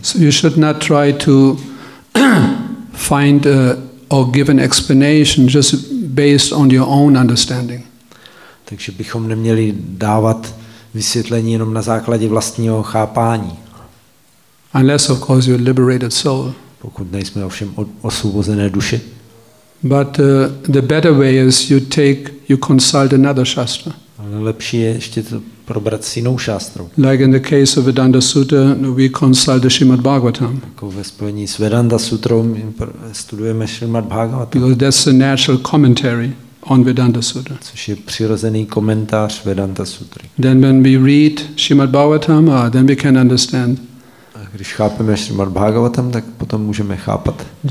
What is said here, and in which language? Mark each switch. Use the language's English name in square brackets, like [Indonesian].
[English] So you should not try to find or give an explanation just based on your own understanding. [Czech] Takže bychom neměli dávat vysvětlení jenom na základě vlastního chápání. [English] Unless of course you're liberated soul. [Czech] Pokud nejsme ovšem osvobozené duše. [English] But the better way is you consult another shastra. [Czech] Ale lepší je ještě to probrat s jinou šástrou. [English] Like in the case of Vedanta Sutra, we consult the Srimad Bhagavatam. [Czech] Jako ve spojení s Vedanta Sutrou my studujeme Srimad Bhagavatam. [English] Because that's a natural commentary on Vedanta Sutra. [Czech] Což je přirozený komentář Vedanta Sutry. [English] Then when we read Srimad Bhagavatam, then we can understand. [Czech] A když chápeme Srimad Bhagavatam, tak potom můžeme chápat.